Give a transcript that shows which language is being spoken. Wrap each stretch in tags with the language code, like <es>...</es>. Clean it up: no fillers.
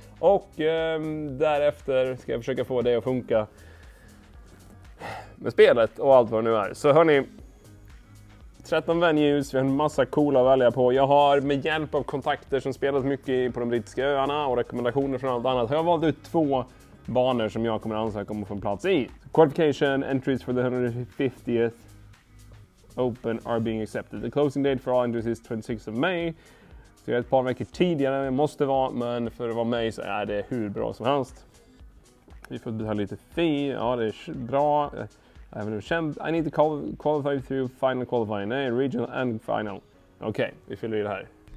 <sv>Och därefter ska jag försöka få det att funka med spelet och allt vad det nu är. Så hörni, 13 venues, vi har en massa coola att välja på. Jag har med hjälp av kontakter som spelat mycket på de brittiska öarna och rekommendationer från allt annat, har jag valt ut två banor som jag kommer ansöka om att få en plats i.</sv> <en>Qualification, entries for the 150th Open are being accepted. The closing date for all entries is 26th of May.</en> <sv>Så jag är ett par veckor tidigare än det måste vara, men för att vara mig så är det hur bra som helst. Vi får betala lite fee, ja det är bra. Även nu känd,</sv> <en>I need to qualify through final qualifying,</en> <sv>nej, regional and final. Okej, vi fyller i det här.</sv>